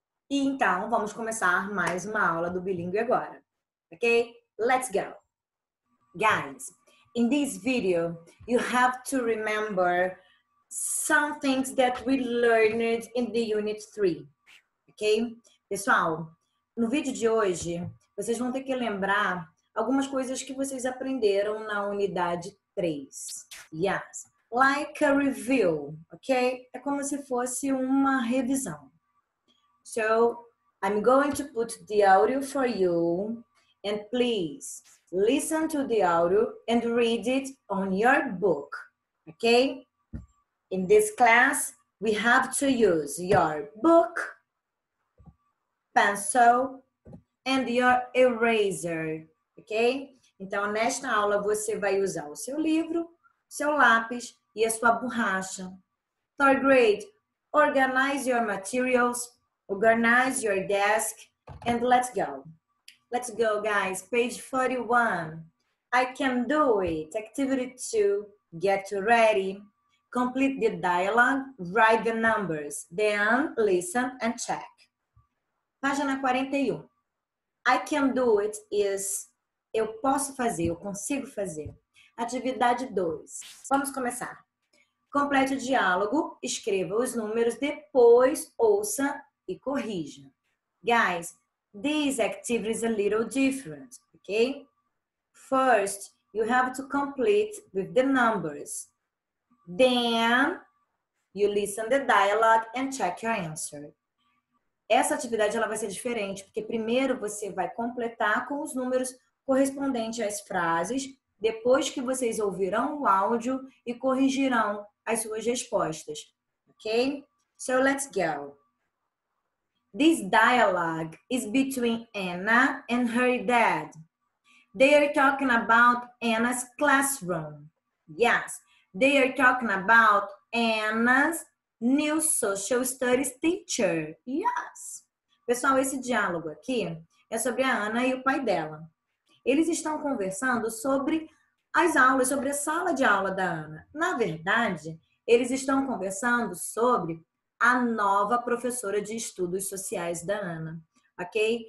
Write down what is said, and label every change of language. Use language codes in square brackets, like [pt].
[pt] E então, vamos começar mais uma aula do bilingue agora. [en] Ok? Let's go. Guys, in this video, you have to remember some things that we learned in the unit 3. Ok? [pt] Pessoal, no vídeo de hoje, vocês vão ter que lembrar algumas coisas que vocês aprenderam na unidade 3. [en] Yes. Like a review, ok? [pt] É como se fosse uma revisão. [en] So, I'm going to put the audio for you. And please, listen to the audio and read it on your book, ok? In this class, we have to use your book, pencil, and your eraser, ok? [pt] Então, nesta aula, você vai usar o seu livro, seu lápis e a sua borracha. [en] Third grade, organize your materials, organize your desk, and let's go. Let's go, guys. Page 41. I can do it. Activity 2. Get ready. Complete the dialogue. Write the numbers. Then listen and check. [pt] Página 41. [en] I can do it is [pt] eu posso fazer, eu consigo fazer. Atividade 2. Vamos começar. Complete o diálogo. Escreva os números. Depois ouça e corrija. [en] Guys, this activity is a little different, okay? First, you have to complete with the numbers. Then, you listen the dialogue and check your answer. [pt] Essa atividade ela vai ser diferente, porque primeiro você vai completar com os números correspondentes às frases, depois que vocês ouvirão o áudio e corrigirão as suas respostas, okay? [en] So, let's go. This dialogue is between Anna and her dad. They are talking about Anna's classroom. Yes, they are talking about Anna's new social studies teacher. Yes. [pt] Pessoal, esse diálogo aqui é sobre a Anna e o pai dela. Eles estão conversando sobre as aulas, sobre a sala de aula da Anna. Na verdade, eles estão conversando sobre a nova professora de estudos sociais da Anna, ok?